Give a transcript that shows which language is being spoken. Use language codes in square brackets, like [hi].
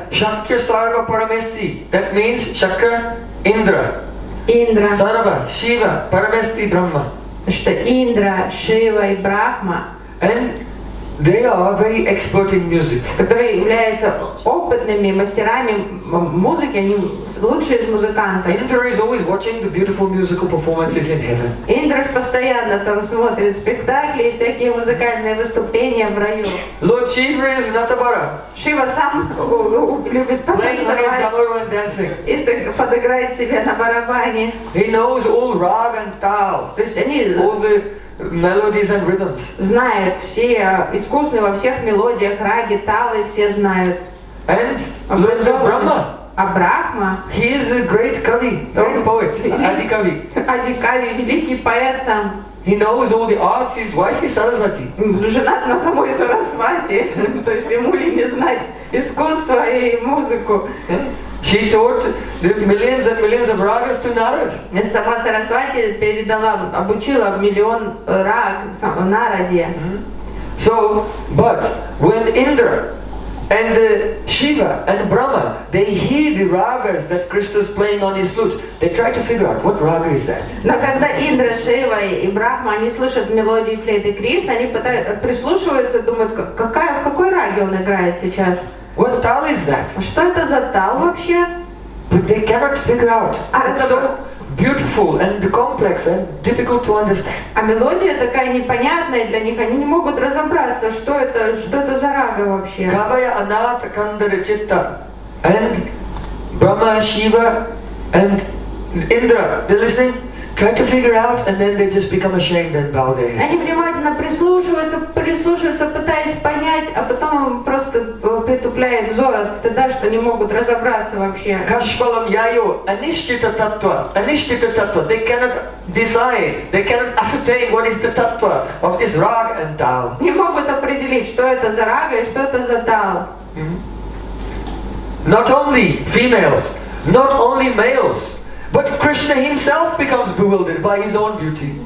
[sa] Шакра сарва парамести. [en] That means [sa] шакра Индра. [ru] Индра. [sa] Сарва Шива парамести Брахма. [ru] Что Индра, Шива и Брахма. [en] And they are very expert in music. [ru] Которые являются опытными мастерами музыки, они лучшие из музыкантов. [en] Indra is always watching the beautiful musical performances in heaven. [ru] Индра постоянно там смотрит спектакли и всякие музыкальные выступления в раю. [en] Lord Shiva is Natavara. [ru] Шива сам любит танцевать. И подыграет себе на барабане. [en] He knows all rag and tal. [ru] То есть они [en] all the melodies and rhythms. [ru] Знает все, искусный во всех мелодиях, раги, талы, все знают. [en] And Lord Brahma. [ru] А Брахма? [en] He is a great Kavi, great poet, Adi Kavi. [ru] Adi Kavi, великий поэт сам. [en] He knows all the arts, his wife is Sarasvati. [ru] Женат на самой Сарасвати, то есть ему ли не знать искусство и музыку. [en] She taught the millions and millions of ragas to Narad. [ru] Сама Сарасвати передала, обучила миллион раг Нараде. [en] So, but when Indra and Shiva and Brahma, they hear the ragas that Krishna is playing on his flute, they try to figure out what raga is that. [ru] Но когда Индра, Шива и Брахма они слышат мелодии флейты Кришны, они прислушиваются, думают, какая, в какой раге он играет сейчас? [en] What tal is that? [ru] Что это за тал вообще? [en] But they cannot figure out. It's so beautiful and complex and difficult to understand. [ru] А мелодия такая непонятная для них, они не могут разобраться, что это за рага вообще. [sa] Кавая аната кандара читта. [en] And Brahma, Shiva and Indra, they're listening. Try to figure out, and then they just become ashamed and bow their heads. [ru] Они внимательно прислушиваются, пытаясь понять, а потом просто притупляет взор от стыда, что не могут разобраться вообще. [sa] Кашпалам яйо, анишчита таттва. [en] They cannot decide, they cannot ascertain what is the таттва of this rag and tal. [ru] Не могут определить, что это за рага и что это за тал. [en] Not only females, not only males. But Krishna himself becomes bewildered by his own beauty.